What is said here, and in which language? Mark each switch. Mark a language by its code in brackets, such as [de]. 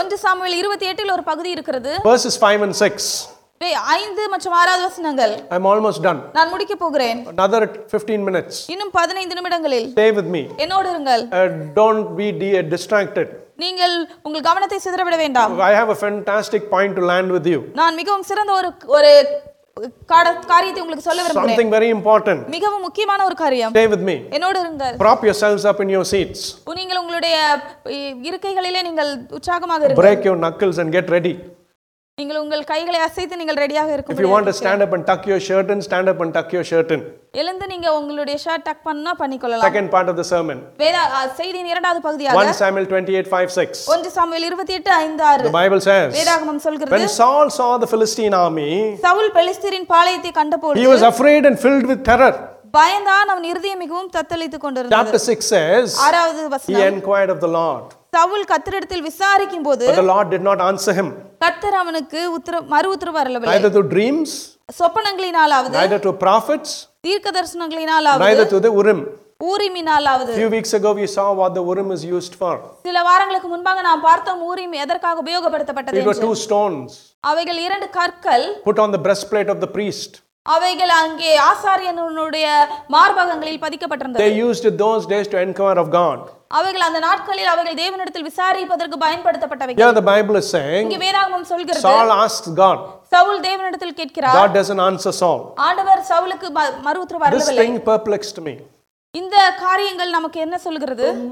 [ta] 1 Samuel 28 இல் ஒரு பகுதி இருக்கிறது. [en] Verses 5 and 6. [ta] 5 மற்றும் 6வது வசனங்கள். [en] I am almost done. [ta] நான் முடிக்க போகிறேன். [en] Another 15 minutes. [ta] இன்னும் 15 நிமிடங்களில். [en] Stay with me. [ta] என்னோடு இருங்கள். [en] Don't be distracted. [ta] நீங்கள் உங்கள் கவனத்தை சிதறவிட வேண்டாம். [en] I have a fantastic point to land with you. [ta] நான் மிகவும் சிறந்த ஒரு காரியத்தை உங்களுக்கு சொல்ல விரும்புகிறேன் [en] Something very important [ta] மிகவும் முக்கியமான ஒரு காரியம் [en] Stay with me [ta] என்னோடு இருங்கள் [en] Prop yourselves up in your seats [ta] நீங்கள் உங்களுடைய இருக்கைகளிலே நீங்கள் உற்சாகமாக இருங்கள் [en] Break your knuckles and get ready [ta] நீங்கள் உங்கள் கைகளை அசைத்து நீங்கள் ரெடியாக இருக்கும். [en] If you want to stand up and tuck your shirt in, stand up and tuck your shirt in. [ta] எழுந்து நீங்க உங்களுடைய ஷர்ட் டக் பண்ணா பண்ணிக்கொள்ளலாம். [en] Second part of the sermon. [ta] செய்தியின் இரண்டாவது பகுதியாக [en] 1 Samuel 28:5-6. 1 Samuel 28:5-6. The Bible says. [ta] வேதாகமம் சொல்கிறது. [en] When Saul saw the Philistine army. [ta] Saul பெலிஸ்தரின் பாளையத்தை கண்டபோது. [en] He was afraid and filled with terror. [ta] பயந்தான் அவன் இருதயம் மிகவும் தத்தளித்துக் கொண்டிருந்தது. [en] Chapter 6 says. [ta] ஆறாவது வசனம். [en] He inquired of the Lord. [ta] Saul கர்த்தரிடத்தில் விசாரிக்கும் போது. [en] But the Lord did not answer him. [ta] கர்த்தர் அவனுக்கு மறு உத்தரவு வரவில்லை. [en] Neither to dreams. [ta] சொப்பனங்களினாலாவது. [en] Neither to prophets. [ta] தீர்க்க தரிசனங்களினாலாவது. [en] Neither to the Urim. [ta] ஊரிமினாலாவது. [en] Few weeks ago we saw what the Urim is used for. [ta] சில வாரங்களுக்கு முன்பாக நாம் பார்த்தோம் ஊரிம் எதற்காக உபயோகப்படுத்தப்பட்டது என்று. [en] It was 2 stones. [ta] அவைகள் 2 கற்கள். [en] Put on the breastplate of the priest. [ta] அவைகள் அங்கே ஆசாரியனுடைய மார்பகங்களில் பதிக்கப்பட்டிருந்தது. [en] They used those days to inquire of God. [ta] அவைகள் அந்த நாட்களில் அவைகள் தேவனிடத்தில் விசாரிப்பதற்கு பயன்படுத்தப்பட்டவைகள். [en] Yeah, the Bible is saying. [ta] இங்கே வேதாகமம் சொல்கிறது. [en] Saul asks God. [ta] சவுல் தேவனிடத்தில் கேட்கிறார். [en] God doesn't answer Saul. [ta] ஆண்டவர் சவுலுக்கு மறு உத்தரவு வரவில்லை. [en] This thing perplexed me. [ta] இந்த காரியங்கள் நமக்கு என்ன சொல்கிறது?